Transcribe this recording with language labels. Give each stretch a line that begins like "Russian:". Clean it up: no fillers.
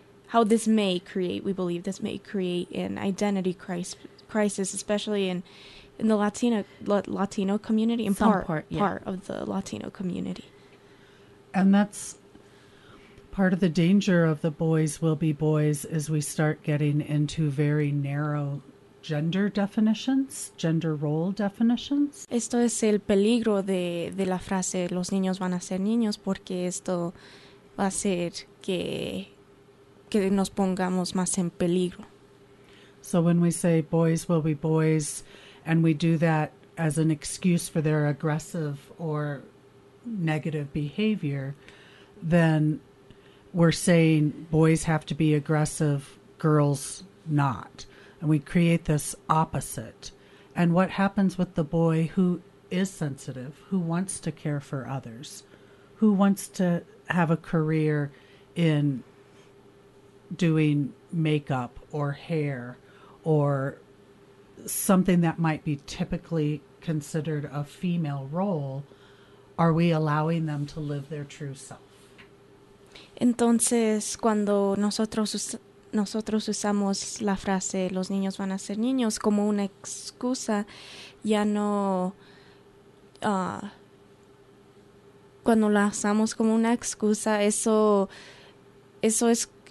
English: How this may create, we believe this may create an identity crisis, especially in the Latino community, in part of the Latino community. And that's part of the danger of the boys will be boys, is we start getting into very narrow gender definitions, gender role definitions.
Spanish: Esto es el peligro de la frase, los niños van a ser niños, porque esto va a hacer que nos pongamos más en peligro.
English: So when we say boys will be boys, and we do that as an excuse for their aggressive or negative behavior, then we're saying boys have to be aggressive, girls not. And we create this opposite. And what happens with the boy who is sensitive, who wants to care for others, who wants to have a career in doing makeup or hair or something that might be typically considered a female role, are we allowing them to live their true self?
Spanish: Entonces, cuando nosotros usamos la frase los niños van a ser niños como una excusa, ya no... cuando la usamos como una excusa, eso es...